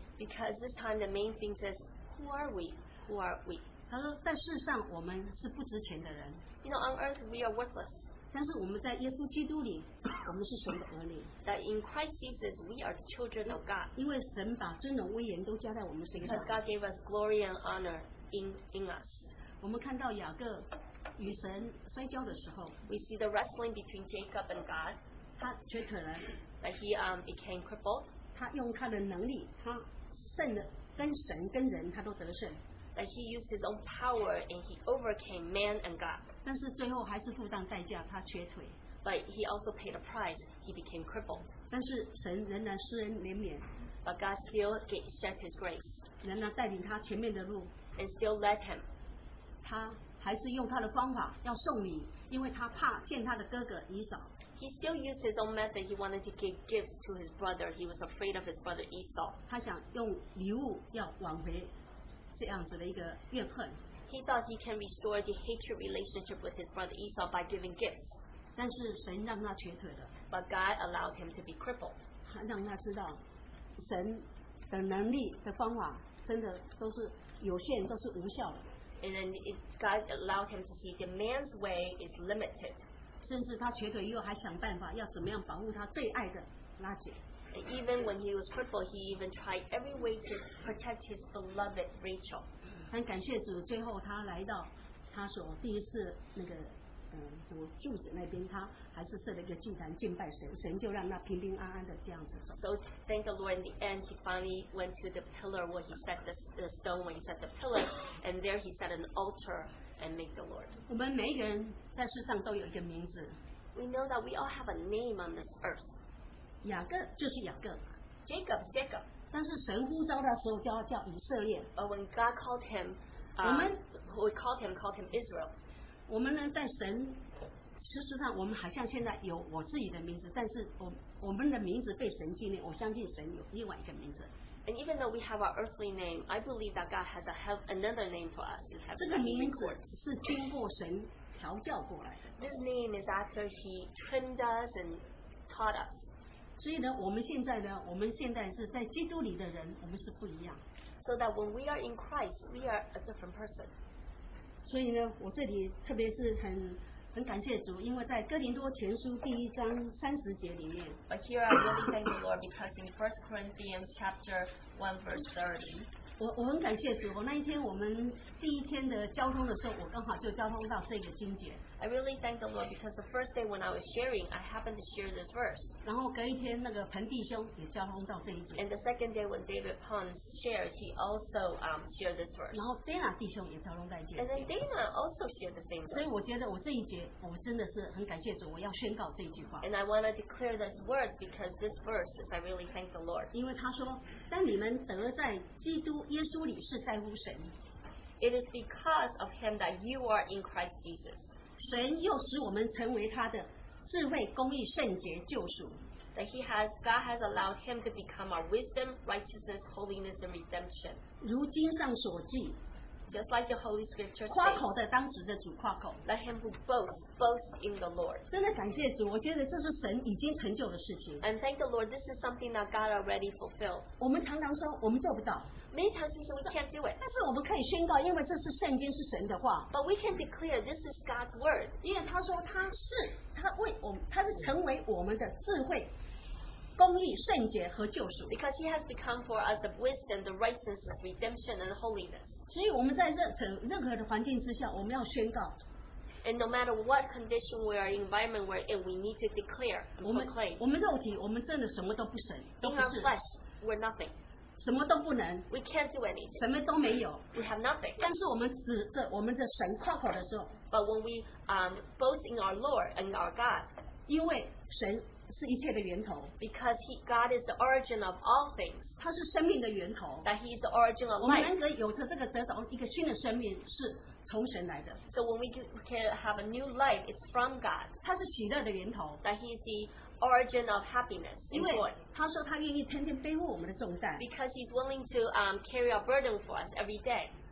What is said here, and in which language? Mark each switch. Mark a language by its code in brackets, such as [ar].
[en] Because this time the main thing is who are we? Who are we? [zh] 他说在世上我们是不值钱的人。 [en] You know on earth we are worthless. [zh] 但是我们在耶稣基督里，我们是神的儿女。 [en] That in Christ Jesus we are the children of God. [zh] 因为神把尊荣威严都加在我们身上。 [en] Because God gave us glory and honor in us. [zh] 我们看到雅各。与神摔跤的时候, [en] we see the wrestling between Jacob and God. [zh] 他瘸腿了, [en] that he became crippled. [zh] 他用他的能力, 他胜了跟神跟人, [en] that he used his own power and he overcame man and God. [zh] 但是最后还是付上代价, 他瘸腿, [en] but he also paid a price. He became crippled. [zh] 但是神仍然施恩怜悯, [en] but God still shed his grace. [zh] 仍然带领他前面的路, [en] and still led him. [zh] 他 还是用他的方法要送礼，因为他怕见他的哥哥以扫。 [en] He still used his own method. He wanted to give gifts to his brother. He was afraid of his brother Esau. [zh] 他想用礼物要挽回这样子的一个怨恨。 [en] He thought he can restore the hatred relationship with his brother Esau by giving gifts. [zh] 但是神让他瘸腿了。 [en] But God allowed him to be crippled. [zh] 让他知道神的能力的方法真的都是有限，都是无效的。 [en] and then it, God allowed him to see the man's way is limited. [zh] 甚至他瘸腿以后还想办法要怎么样保护他最爱的拉姐。 [en] Even when he was crippled, he even tried every way to protect his beloved Rachel. [zh] 很感谢主，最后他来到他所第一次那个怎么柱子那边，他还是设了一个祭坛敬拜神，神就让他平平安安的这样子走。 [en] So thank the Lord. In the end, he finally went to the pillar where he set the stone. When he set the pillar, and there he set an altar and made the Lord. [zh] 我们每一个人在世上都有一个名字。 [en] We know that we all have a name on this earth. [zh] 雅各就是雅各 [en] Jacob is Jacob. [zh] 但是神呼召的时候叫叫以色列 [en] But when God called him, [zh] 我们 [en] we called him Israel. [zh] 我们呢在神事实上我们好像现在有我自己的名字，但是 我们的名字被神纪念，我相信神有另外一个名字。 [en] And even though we have our earthly name, I believe that God has another name for us. [zh] 这个名字是经过神调教过来的。 [en] This name is after he trimmed us and taught us. [zh] 所以呢，我们现在呢，我们现在是在基督里的人，我们是不一样。 [en] So that when we are in Christ, we are a different person. [zh] 所以呢，我这里特别是很感谢主，因为在哥林多前书第一章三十节里面。 [en] But here I really thank the Lord because in 1 Corinthians chapter 1 verse 30. [zh] 我很感谢主，我那一天我们第一天的交通的时候，我刚好就交通到这个经节。 [en] I really thank the Lord because the first day when I was sharing, I happened to share this verse. [zh] 然后隔一天那个彭弟兄也交通到这一节。 [en] And the second day when David Pons shared, he also shared this verse. [zh] 然后 Dana 弟兄也交通到这一节。 [en] And then Dana also shared the same verse. [zh] 所以我觉得我这一节我真的是很感谢主，我要宣告这一句话。 [en] And I want to declare this words because this verse is I really thank the Lord. [zh] 因为他说，但你们得在基督耶稣里是在乎神。 [en] It is because of him that you are in Christ Jesus. [zh] 神又使我们成为他的智慧、公义、圣洁、救赎。 [en] That he has, God has allowed him to become our wisdom, righteousness, holiness, and redemption. [zh] 如经上所记 [en] ，just like the Holy Scriptures. [zh] 夸口的当指着主夸口。 [en] Let him who boast in the Lord. [zh] 真的感谢主，我觉得这是神已经成就的事情。 [en] And thank the Lord, this is something that God already fulfilled. [zh] 我们常常说我们做不到。 [en] Many times we say we can't do it. [zh] 但是我们可以宣告，因为这是圣经，是神的话。 [en] But we can declare this is God's word. [zh] 因为他说他是他为我们，他是成为我们的智慧、公义、圣洁和救赎。 [en] Because he has become for us the wisdom, the righteousness, redemption, and holiness. [zh] 所以我们在任何的环境之下，我们要宣告。 [en] And no matter what condition we are, environment we're in, we need to declare and proclaim. [zh] 我们肉体，我们真的什么都不神，都不是。 [en] In our flesh, we're nothing. [zh] 什么都不能 [en] we can't do anything. [zh] 什么都没有 [en] we have nothing. [zh] 但是我们指着我们的神夸口的时候 [en] But when we boast in our Lord and our God [zh] 因为神是一切的源头 [en] Because God is the origin of all things [zh] 他是生命的源头 [en] That he is the origin of life [zh] 我们能够有着这个得着一个新的生命是从神来的 [en] So when we can have a new life it's from God [zh] 他是喜乐的源头 [en] That he is theOrigin of happiness. [zh] 因为他说他愿意天天背负我们的重担。 [en] Because he's willing to carry our burden for us every day.